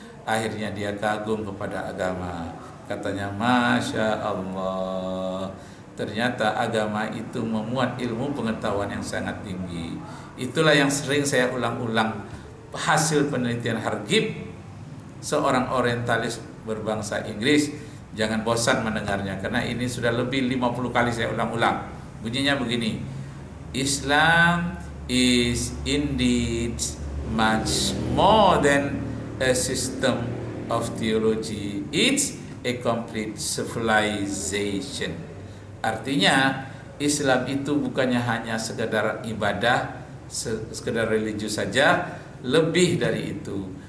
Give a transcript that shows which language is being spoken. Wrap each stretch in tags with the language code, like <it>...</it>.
<id>Akhirnya dia kagum kepada agama. Katanya, Masya Allah, ternyata agama itu memuat ilmu pengetahuan yang sangat tinggi. Itulah yang sering saya ulang-ulang hasil penelitian Hargib, seorang orientalis berbangsa Inggris. Jangan bosan mendengarnya, karena ini sudah lebih 50 kali saya ulang-ulang. Bunyinya begini,</id> <en>Islam is indeed much more than a system of theology, it's a complete civilization.</en> <id>Artinya, Islam itu bukannya hanya sekedar ibadah, sekedar religius saja, lebih dari itu.</id>